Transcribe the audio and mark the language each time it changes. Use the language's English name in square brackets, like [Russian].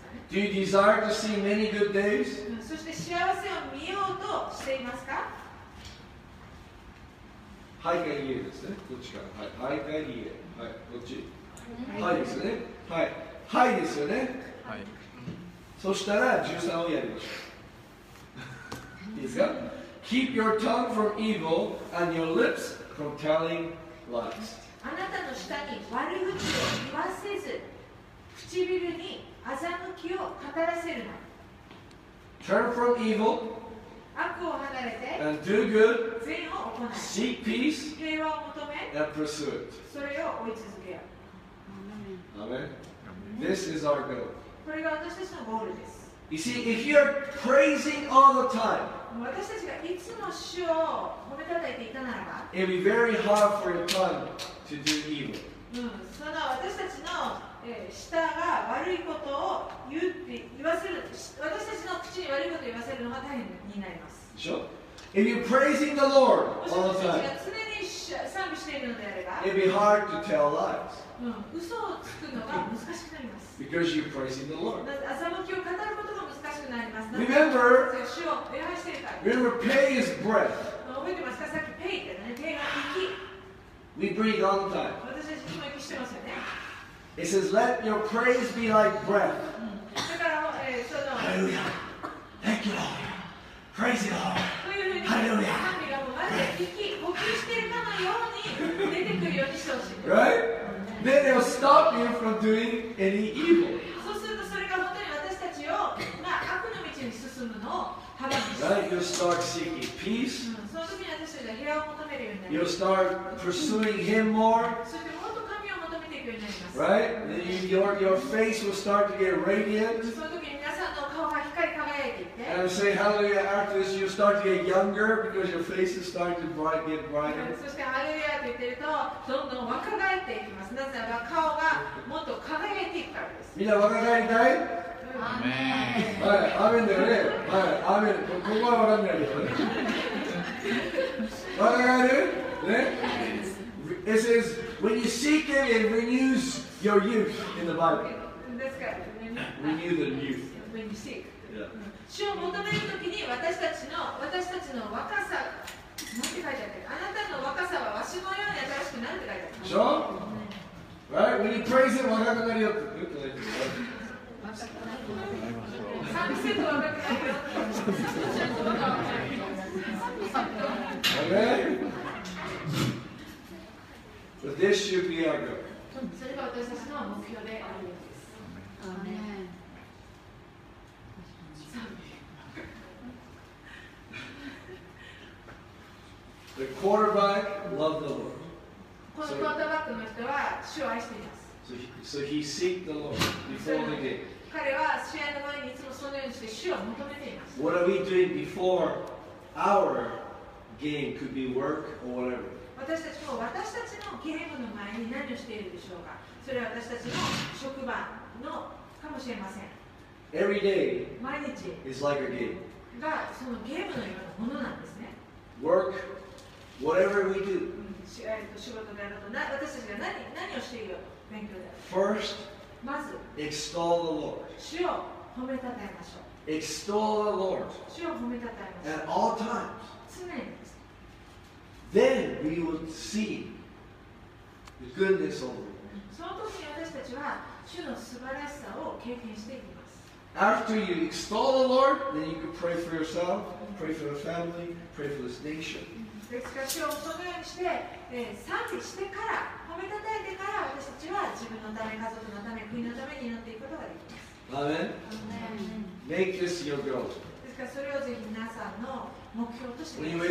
[English] Do you desire to see many good days? [Japanese] そして幸せを見ようとしていますか？はいか家ですね。どっちか。はい、はい、か家。はい、どっち、はい、ですよね。はい。はいですよね。はい。そしたら、13をやりましょう。いいですか？ [English] Keep your tongue from evil and your lips from telling lies. [Japanese] あなたの下に悪口を言わせず、唇に欺きを語らせるな。 [English] Turn from evil. [Japanese] 悪を離れて、 [English] and do good. [Japanese] 善を行 [English] え。Seek peace. [Japanese] 平和を求め。 [English] And pursue it. [Japanese] それを追い続けよう。 [English] Amen. This is our goal. [Japanese] これが私たちのゴールです。 [English] You see, if you're praising all the time, [Japanese] 私たちがいつも主を褒めたたえていたならば、 [English] it'd be very hard for your tongue to do evil. [Japanese] うん、その私たちの舌が悪いことを言わせる、私たちの口に悪いことを言わせるのが大変になります。でしょ？ [English] If you're praising the Lord all the time, [Japanese] 私たちが常に賛美しているのであれば、 [English] it'd be hard to tell lies. [Japanese] うん、嘘をつくのが難しくなります。 [English] Because you're praising the Lord. [Japanese] 欺きを語ることが難しくなります。 [English] Remember, [Japanese] 主を礼拝しているから。 [English] Remember, pay is breath. [Japanese] 覚えてますか？さっきペイってね、ペイが息。 [English] We breathe all the time. [Japanese] 私たちいつも息してますよね。 [English] It says, let your praise be like breath. [Japanese] だから、その、 [English] Hallelujah. Thank you, Lord. Praise you, Lord. Hallelujah. [Japanese] 神がもうまるで息、呼吸しているかのように出てくるようにしてほしい。 [English] Right? Then it'll stop you from doing any evil. [Japanese] そうするとそれが本当に私たちを、まあ、悪の道に進むのを阻みます。 [English] Right? You'll start seeking peace. [Japanese] その時に私たちは平和を求めるようになります。 [English] You'll start pursuing him more. [Japanese] そしてもっと神を求めていくようになります。 [English] Right? Then your face will start to get radiant. [Japanese] その時に皆さんの顔が光り輝いていて。 [English] And say hallelujah after this, you'll start to get younger because your face is starting to bright, get brighter. [Japanese] そしてハレルヤと言っているとどんどん若返っていきます。なぜなら顔がもっと輝いていくからです。みんな若返りたい？アーメン。はい、アーメンだよね。はい、アーメン。ここは分かんないです。若返る？ね。 [English] It says when you seek him, it renews your youth in the Bible. [Japanese] ですから、 [English] renew the youth. When you seek. Yeah. [Japanese] 主を求めるときに私たちの若さ、なんて書いてあって、あなたの若さはわしのように新しくなんて書いてあって。しょ、うん、 [English] Right? When you praise him, [Japanese] 若くなるよって。若くなるよ。賛美せず若くなるよ。賛美せず若くなる [English] よ。Okay? But this should be our goal. [Japanese] それが私たちの目標であるようです。 [English] Amen. The quarterback loved the Lord. [Japanese] このクォーターバックの人は主を愛しています。 [English] So he seeked the Lord before the game. [Japanese] 彼は試合の前にいつもそのようにして主を求めています。 [English] What are we doing before our game? Could be work or whatever. [Japanese] 私たちのゲームの前に何をしているでしょうか。それは私たちの職場のかもしれません。 [English] Every day [Japanese] 毎日 [English] is like a game. [Japanese] がそのゲームのようなものなんですね。 [English] Work. Whatever we do, first, extol the Lord. [Japanese] 主を褒めたたえましょう。 [English] Extol the Lord. [Japanese] 主を褒めたたえましょう。 [English] At all times. [Japanese] 常に。 [English] Then we will see the goodness of the Lord. [Japanese] その時に私たちは主の素晴らしさを経験していきます。 [English] After you extol the Lord, then you can pray for yourself, pray for the family, pray for this nation. [Japanese] ですから主をそのようにして、賛美してから、褒めたたえてから、私たちは自分のため、家族のため、国のために祈っていくことができます。 [English] Amen. Make this your goal. [Japanese] ですからそれをぜひ皆さんの目標としてください